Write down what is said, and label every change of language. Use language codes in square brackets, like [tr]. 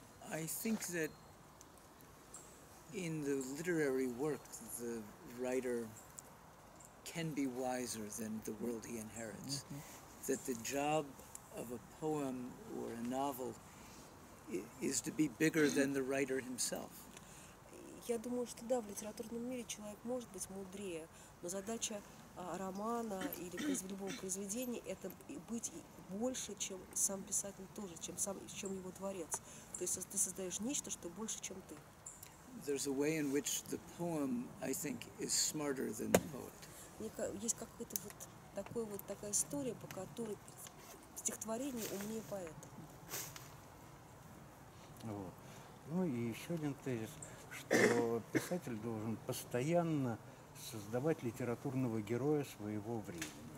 [en] I think that in the literary work, the writer can be wiser than the world he inherits. Mm-hmm. That the job of a poem or a novel is to be bigger than the writer himself. [ru] Я думаю, что да, в литературном мире человек может быть мудрее, но задача романа или любого произведения – это быть больше, чем сам писатель тоже, чем его творец. То есть ты создаешь нечто, что больше, чем ты. [en] There's a way in which the poem, I think, is smarter than the poet. [ru] Есть какой-то вот такой вот такая история, по которой стихотворение умнее поэта. Вот. Ну и еще один тезис, что писатель должен постоянно создавать литературного героя своего времени.